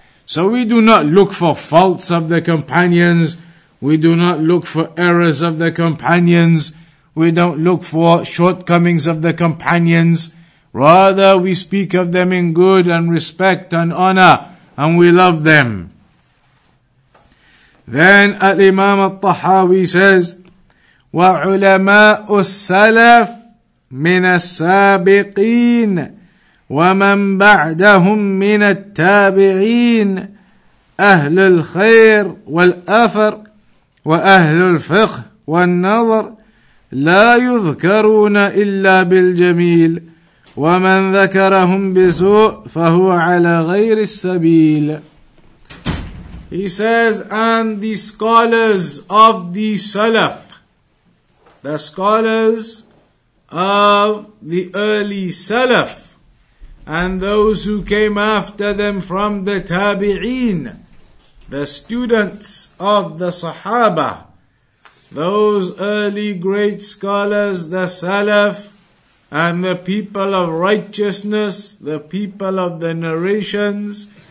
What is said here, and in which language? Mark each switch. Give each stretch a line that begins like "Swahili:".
English: So we do not look for faults of the companions. We do not look for errors of the companions. We don't look for shortcomings of the companions. Rather, we speak of them in good and respect and honor, and we love them. Then Al-Imam al-Tahawi says,
Arabic: وَعُلَمَاءُ السَّلَفْ مِنَ السَّابِقِينَ وَمَنْ بَعْدَهُمْ مِنَ التَّابِعِينَ أَهْلُ الْخَيْرِ وَالْأَثَرِ وأهل الفقه والنظر لا يذكرون إلا بالجميل ومن ذكرهم بسوء فهو على غير السبيل.
English: He says, and the scholars of the Salaf, the scholars of the early Salaf, and those who came after them from the Tabi'een, the students of the Sahaba, those early great scholars, the Salaf, and the people of righteousness, the people of the narrations,